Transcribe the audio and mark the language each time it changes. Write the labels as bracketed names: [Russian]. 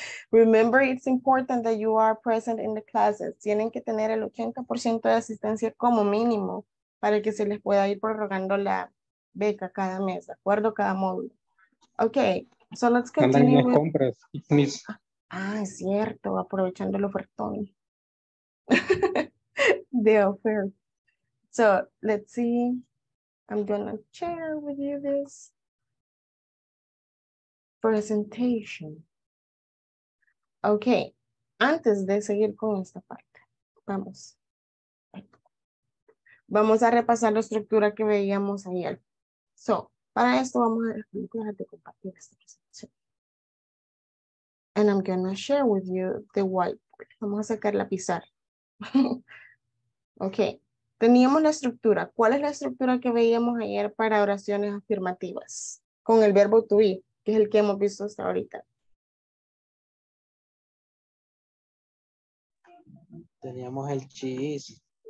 [English] Remember, it's important that you are present in the classes. [Spanish] Tienen que tener el 80% de asistencia como mínimo para que se les pueda ir prorrogando la beca cada mes, ¿de acuerdo? Cada módulo. [English] Ok, so let's continue. [Spanish] Andan las compras, miss. Ah, es cierto, aprovechando el ofertón. [English] The offer. So, let's see. I'm gonna share with you this presentation. [Spanish] Okay, antes de seguir con esta parte, vamos. Vamos a repasar la estructura que veíamos ayer. [English] So, [Spanish] para esto vamos a dejar de compartir esta presentación. [English] And I'm gonna share with you the whiteboard. [Spanish] Vamos a sacar la pizarra. Okay. Teníamos la estructura. ¿Cuál es la estructura que veíamos ayer para oraciones afirmativas? Con el verbo to be, que es el que hemos visto hasta ahorita. Teníamos el she is.